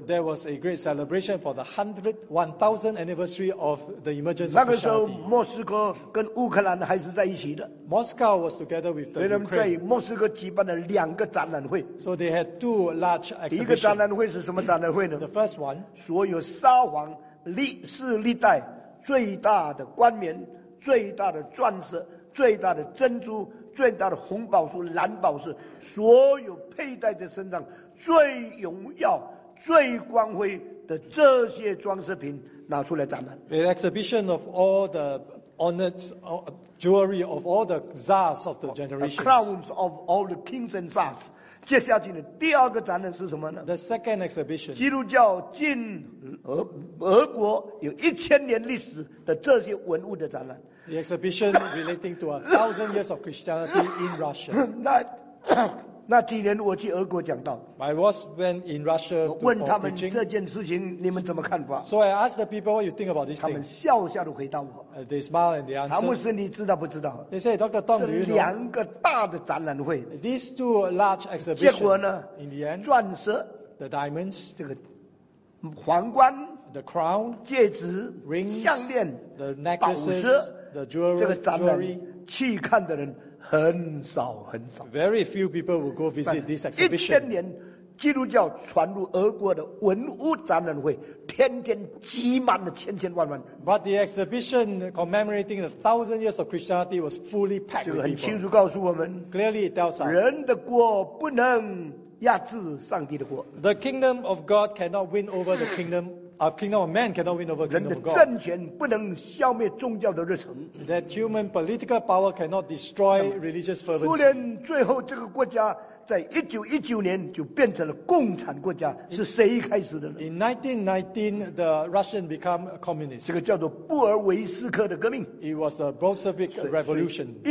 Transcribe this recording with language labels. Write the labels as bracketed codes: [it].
[en] There was a great celebration for the 1000th anniversary of the emergence of [zh] Christianity 那个时候莫斯科跟乌克兰还是在一起的 [en] Moscow was together with the Ukraine [zh] 所以他们在莫斯科举办了两个展览会 [en] So they had two large exhibitions [zh] 一个展览会是什么展览会呢 [en] The first one [zh] 所有沙皇历世历代最大的冠冕最大的钻石最大的珍珠最大的红宝石、蓝宝石，所有佩戴在身上最荣耀、最光辉的这些装饰品拿出来展览。 [en] The exhibition of all the honors, jewelry of all the czars of the generation. The crowns of all the kings and czars. [zh] 接下去的第二个展览是什么呢 [en] ？The second exhibition. [zh] 基督教进俄国有一千年历史的这些文物的展览。 [en] The exhibition relating to 1000 years of Christianity in Russia. [zh] 那几年我去俄国讲道。 [en] I was when in Russia. [zh] 我问他们这件事情你们怎么看法 [en] ？So I asked the people what you think about this thing. [zh] 他们笑笑的回答我。 [en] They smile and they answer. [zh] 唐牧师，你知道不知道 [en] ？They say, Dr. Tong, do you know? [zh] 这两个大的展览会。 [en] These two large exhibitions. [zh] 结果呢 [en] ？In the end, [zh] 钻石 [en] ，the diamonds， [zh] 这个皇冠 [en] ，the crown， [zh] 戒指 [en] ，rings， [zh] 项链 [en] ，the necklaces。 The jewelry, [zh] 这个展览去看的人很少很少。 [en] Very few people will go visit this exhibition. [zh] 一千年基督教传入俄国的文物展览会，天天挤满了千千万万人。 [en] But the exhibition commemorating the 1000 years of Christianity was fully packed. [zh] 这个很清楚告诉我们 [en] ，Clearly it tells us, [zh] 人的国不能压制上帝的国。 [en] The kingdom of God cannot win over the kingdom. A kingdom of man cannot win over kingdom of God. [zh] 人的政权不能消灭宗教的热忱。 [en] That human political power cannot destroy religious fervency. [zh] 苏联最后这个国家在1919年就变成了共产国家，是谁开始的呢 [en] ？In 1919, the Russian became a communist. [zh] 这个叫做布尔维斯克的革命。 [en] It was the Bolshevik Revolution.